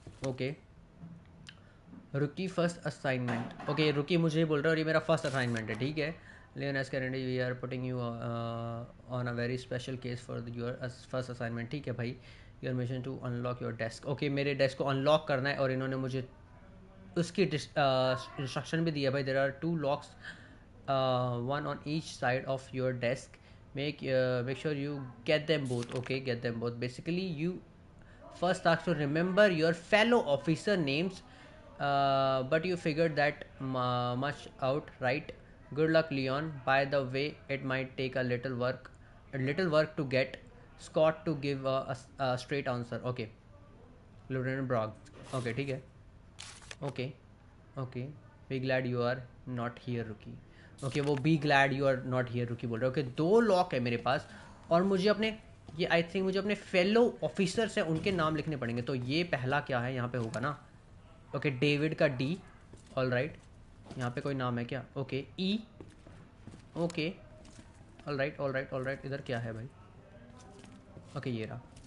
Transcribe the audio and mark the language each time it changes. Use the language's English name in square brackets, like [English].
[Hindi] Okay रुकी first assignment, okay रुकी मुझे बोल रहा है और ये मेरा फर्स्ट असाइनमेंट है ठीक है। [English] Leon S. Kennedy, we are putting you on a very special case for your first assignment. [Hindi] ठीक है भाई, [English] your mission to unlock your desk. [Hindi] Okay, मेरे desk को unlock करना है और इन्होंने मुझे उसकी instruction भी दिया भाई. [English] There are two locks, one on each side of your desk. Make sure you get them both. Okay, get them both. Basically, you first have to remember your fellow officer names. But you figured that much out, right? Good luck, Leon. By the way, it might take a little work to get Scott to give a straight answer. Okay, Lieutenant Brock. Okay, [Hindi] ठीक है. [English] Okay. Be glad you are not here, Rookie. [Hindi] Okay, वो [English] be glad you are not here, Rookie [Hindi] बोल रहे हैं. Okay, दो lock है मेरे पास और मुझे अपने ये [English] I think [Hindi] मुझे अपने fellow officers हैं उनके नाम लिखने पड़ेंगे. तो ये पहला क्या है यहाँ पे होगा ना. ओके, डेविड का डी. [English] all right, [Hindi] यहाँ पे कोई नाम है क्या? ओके, ई. Okay, all right. इधर क्या है भाई? ओके, ये रहा.